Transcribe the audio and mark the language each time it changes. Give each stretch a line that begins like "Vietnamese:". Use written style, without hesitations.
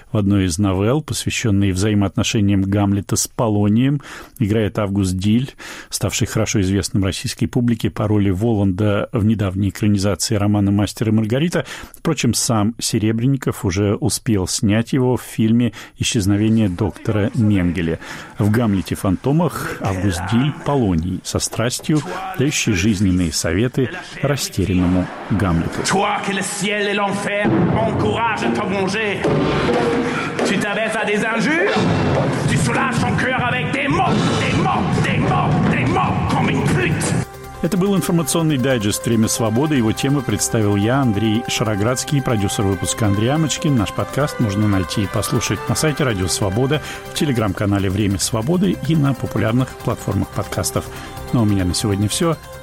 Russian: В одной из новелл, посвященной взаимоотношениям Гамлета с Полонием, играет Август Диль, ставший хорошо известным российской публике по роли Воланда в недавней экранизации романа «Мастер и Маргарита». Впрочем, сам Серебренников уже успел снять его в фильме «Исчезновение доктора Менгеле». В «Гамлете. Фантомах» Август Диль, Полоний, со страстью дающий жизненные советы растерянному Гамлету.
French: Toi qui le ciel et l'enfer encouragent à te venger, tu t'abaisses à des injures, tu soulages ton cœur avec des mots, des mots, des mots, des mots comme une pute.
Russian: Это был информационный дайджест «Время свободы». Его темы представил я, Андрей Шароградский, продюсер выпуска Андрей Амочкин. Наш подкаст можно найти и послушать на сайте «Радио Свобода», в телеграм-канале «Время свободы» и на популярных платформах подкастов. Ну, а у меня на сегодня все.